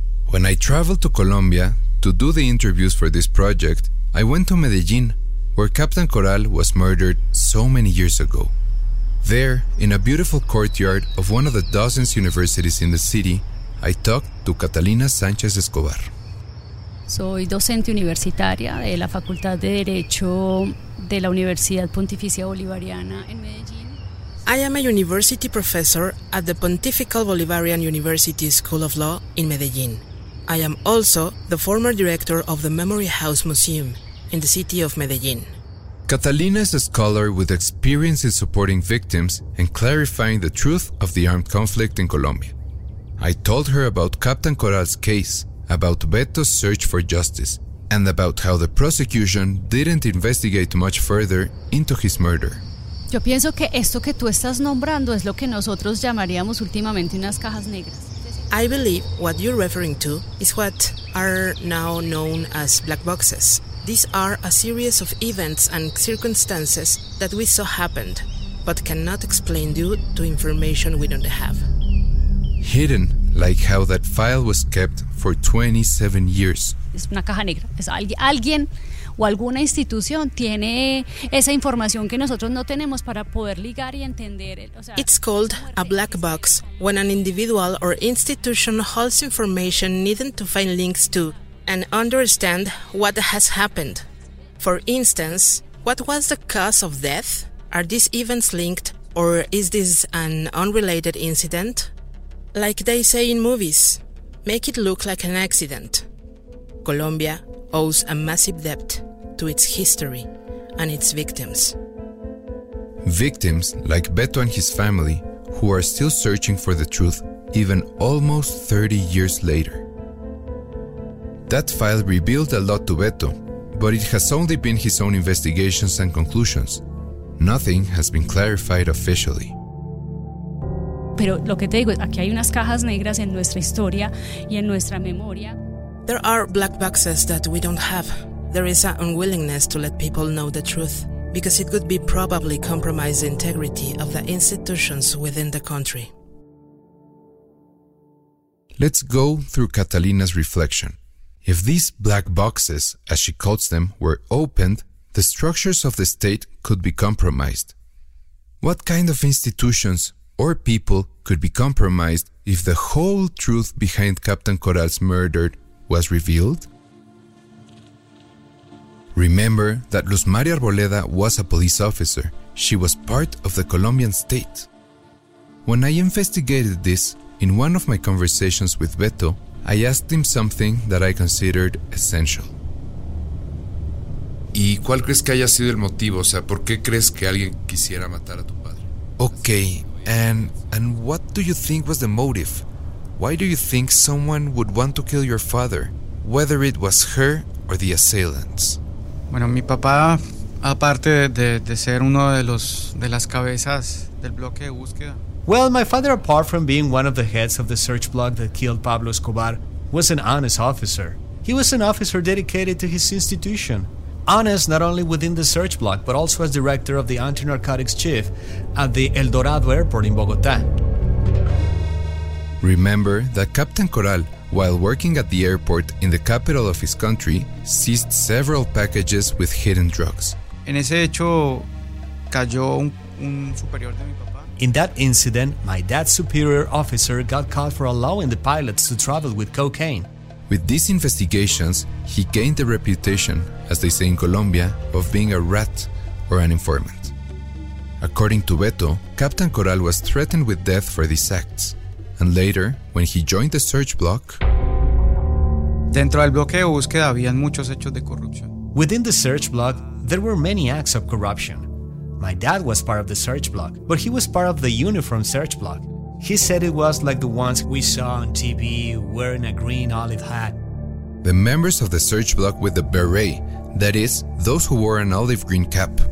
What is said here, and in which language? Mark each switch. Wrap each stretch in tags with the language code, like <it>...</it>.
<en>When I traveled to Colombia to do the interviews for this project, I went to Medellin, where Captain Coral was murdered so many years ago. There, in a beautiful courtyard of one of the dozens universities in the city, I talked to Catalina Sánchez Escobar.</en> <es>Soy docente universitaria de la Facultad de Derecho de la Universidad Pontificia Bolivariana en Medellín.</es> <en>I am a university professor at the Pontifical Bolivarian University School of Law in Medellín. I am also the former director of the Memory House Museum in the city of Medellín. Catalina is a scholar with experience in supporting victims and clarifying the truth of the armed conflict in Colombia. I told her about Captain Coral's case, about Beto's search for justice, and about how the prosecution didn't investigate much further into his murder.</en> <es>Yo pienso que esto que tú estás nombrando es lo que nosotros llamaríamos últimamente unas cajas negras.</es> <en>I believe what you're referring to is what are now known as black boxes. These are a series of events and circumstances that we saw happened, but cannot explain due to information we don't have. Hidden, like how that file was kept for 27 years.</en> <es>Es una caja negra. Es alguien o alguna institución tiene esa información que nosotros no tenemos para poder ligar y entender.</es> <en>It's called a black box when an individual or institution holds information needed to find links to and understand what has happened. For instance, what was the cause of death? Are these events linked or is this an unrelated incident? Like they say in movies, make it look like an accident. Colombia owes a massive debt to its history and its victims. Victims like Beto and his family, who are still searching for the truth even almost 30 years later. That file revealed a lot to Beto, but it has only been his own investigations and conclusions. Nothing has been clarified officially.</en> <es>Pero lo que te digo, aquí hay unas cajas negras en nuestra historia y en nuestra memoria.</es> <en>There are black boxes that we don't have. There is an unwillingness to let people know the truth, because it could be probably compromise the integrity of the institutions within the country. Let's go through Catalina's reflection. If these black boxes, as she calls them, were opened, the structures of the state could be compromised. What kind of institutions or people could be compromised if the whole truth behind Captain Coral's murder was revealed? Remember that Luz Mari Arboleda was a police officer. She was part of the Colombian state. When I investigated this, in one of my conversations with Beto, I asked him something that I considered essential.</en> <es>¿Y cuál crees que haya sido el motivo? O sea, ¿por qué crees que alguien quisiera matar a tu padre?</es> <en>Okay, and what do you think was the motive? Why do you think someone would want to kill your father, whether it was her or the assailants?</en> <es>Bueno, mi papá, aparte de ser uno de las cabezas del bloque de búsqueda.</es> <en>Well, my father, apart from being one of the heads of the search block that killed Pablo Escobar, was an honest officer. He was an officer dedicated to his institution. Honest not only within the search block, but also as director of the anti-narcotics chief at the El Dorado Airport in Bogotá. Remember that Captain Coral, while working at the airport in the capital of his country, seized several packages with hidden drugs.</en> <es>En ese hecho, cayó un superior de mi papá.</es> <en>In that incident, my dad's superior officer got caught for allowing the pilots to travel with cocaine. With these investigations, he gained the reputation, as they say in Colombia, of being a rat or an informant. According to Beto, Captain Coral was threatened with death for these acts. And later, when he joined the search block...</en> <es>Dentro del bloqueo búsqueda habían muchos hechos de corrupción.</es> <en>Within the search block, there were many acts of corruption. My dad was part of the search block, but he was part of the uniform search block. He said it was like the ones we saw on TV, wearing a green olive hat. The members of the search block with the beret, that is, those who wore an olive-green cap.</en>